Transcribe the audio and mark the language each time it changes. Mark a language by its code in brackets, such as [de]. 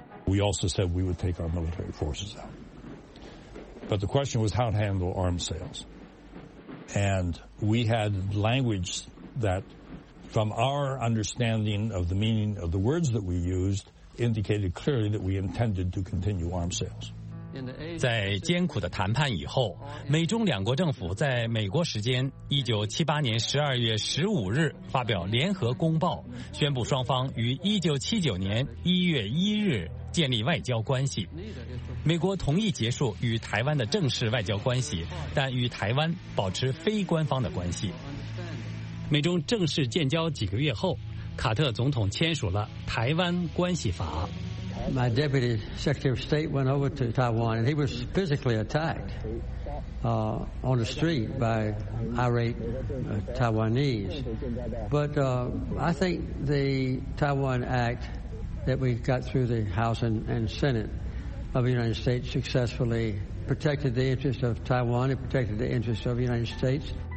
[en] We also said we would take our military forces out. But the question was how to handle arms sales. And we had language thatFrom our understanding of the meaning of the words that we used, indicated clearly that we intended to continue arms sales. [zh] 在艰苦的谈判以后，美中两国政府在美国时间1978年12月15日发表联合公报，宣布双方于1979年1月1日建立外交关系。美国同意结束与台湾的正式外交关系，但与台湾保持非官方的关系。美中正式建交几个月后，卡特总统签署了《台湾关系法》。 [en] My deputy secretary of state went over to Taiwan, and he was physically attacked, on the street by irate, Taiwanese. But, I think the Taiwan Act that we got through the House and Senate of the United States successfully protected the interests of Taiwan and protected the interests of the United States.